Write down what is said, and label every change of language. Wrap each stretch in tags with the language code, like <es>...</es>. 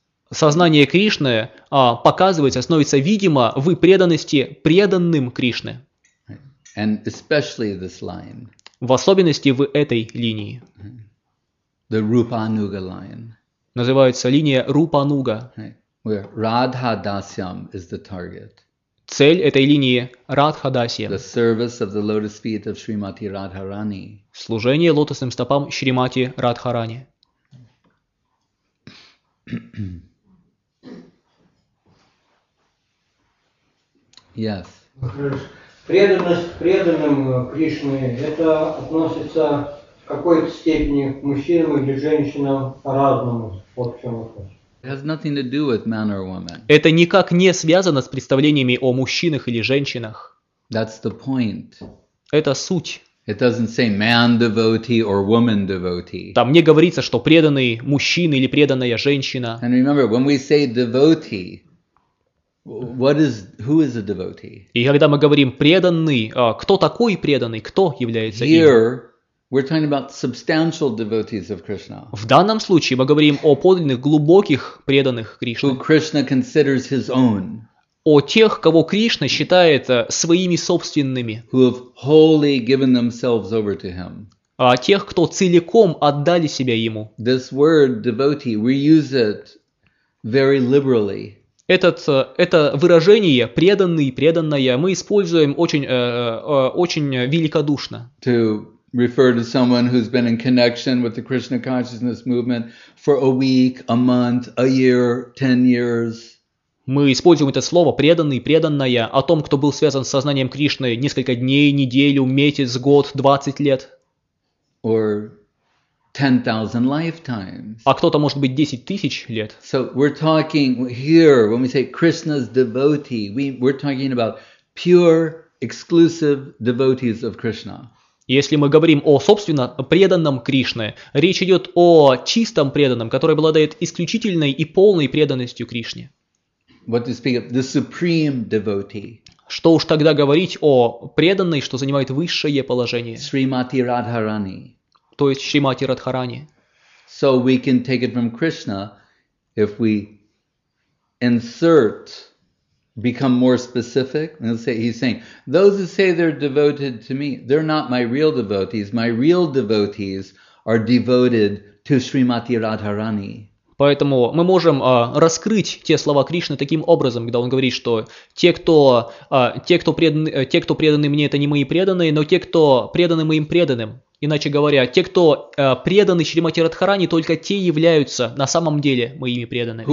<ru>Сознание Кришны показывается, становится видимо в преданности преданным Кришне.</ru> <en>And especially this line.</en> <ru>В особенности в этой линии.</ru> <en>The Rupanuga line.</en> <ru>Называется линия Рупануга.</ru> <en>Where Radha Dasyam is the target.</en> <ru>Цель этой линии Радхадасия.</ru> <en>The service of the lotus feet of Shrimati Radharani.</en> <ru>Служение лотосным стопам Шримати Радхарани.</ru> <en>Yes.</en> <ru>Преданность преданным Кришне, это относится в какой-то степени к мужчинам или женщинам по-разному, в общем.</ru> <en>It has nothing to do with man or woman.</en> <ru>Это никак не связано с представлениями о мужчинах или женщинах.</ru> <en>That's the point.</en> <ru>Это суть.</ru> <en>It doesn't say man devotee or woman devotee.</en> <ru>Там не говорится, что преданный мужчина или преданная женщина.</ru> <en>And remember, when we say devotee, who is a devotee?</en> <ru>И когда мы говорим преданный, кто такой преданный, кто является им?</ru> <en>Here, we're talking about substantial devotees of Krishna.</en> <ru>В данном случае мы говорим о подлинных, глубоких преданных Кришне.</ru> <en>Who Krishna considers his own.</en> <ru>О тех, кого Кришна считает своими собственными.</ru> <en>Who have wholly given themselves over to him.</en> <ru>О тех, кто целиком отдали себя ему.</ru> <en>This word devotee, we use it very liberally.</en> <ru>Это выражение преданный, преданная мы используем очень великодушно.</ru> <en>To refer to someone who's been in connection with the Krishna consciousness movement for a week, a month, a year, 10 years.</en> <ru>Мы используем это слово преданный, преданная о том, кто был связан с сознанием Кришны несколько дней, неделю, месяц, год, 20 лет.</ru> <en>Or 10,000 lifetimes.</en> <ru>А кто-то может быть 10,000 лет.</ru> <en>So we're talking here when we say Krishna's devotee, we're talking about pure, exclusive devotees of Krishna.</en> <ru>Если мы говорим о собственно преданном Кришне, речь идет о чистом преданном, который обладает исключительной и полной преданностью Кришне.</ru> <en>What to speak of? The supreme devotee.</en> <ru>Что уж тогда говорить о преданной, что занимает высшее положение?</ru> <en>Shrimati Radharani.</en> <ru>То есть Шримати Радхарани.</ru> <en>So we can take it from Krishna if we insert, become more specific, and he's saying, those who say they're devoted to me, they're not my real devotees. My real devotees are devoted to Srimati Radharani.</en> <ru>Поэтому мы можем раскрыть те слова Кришны таким образом, когда он говорит, что те, кто преданы мне, это не мои преданные, но те, кто преданы моим преданным. Иначе говоря, те, кто преданы Шримати Радхарани, только те являются на самом деле моими преданными.</ru>